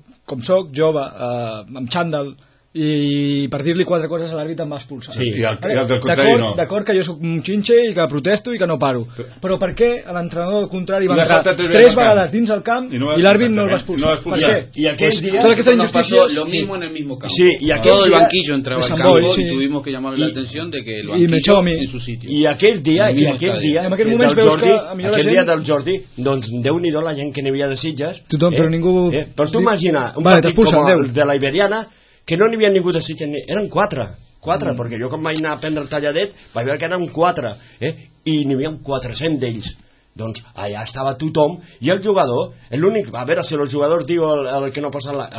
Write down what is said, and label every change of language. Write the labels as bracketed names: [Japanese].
[Catalan] com sóc, jove, amb xàndal, i per dir-li quatre coses a l'àrbit em va expulsar. Sí, i no. D'acord que jo sóc un xinxe i que protesto i que no paro. Però per què l'entrenador, al contrari, va entrar tres vegades dins el camp i l'àrbit no el va expulsar? No va expulsar. Per què? I aquell dia... Tota aquesta injustícia... [Spanish] No lo mismo en el mismo campo. [Catalan] Sí, i aquell dia... [Spanish] Todo el banquillo entraba al campo y tuvimos que llamarle la atención de que el banquillo en su sitio. [Catalan] I aquell dia, i aquell dia... En aquell moment veus que... Aquell dia del Jordi, doncs déu-n'hi-do la gent que n'hi havia de Sitges... Tothom, però ningú... Però tu imagina, un partit com el de la Iberiana... que no n'hi havia ningú de Sitges, eren quatre, perquè jo quan vaig anar a prendre el talladet vaig veure que eren quatre, i n'hi havia 400 d'ells, doncs allà estava tothom, i el jugador, l'únic, a veure si el jugador diu el que no posa la...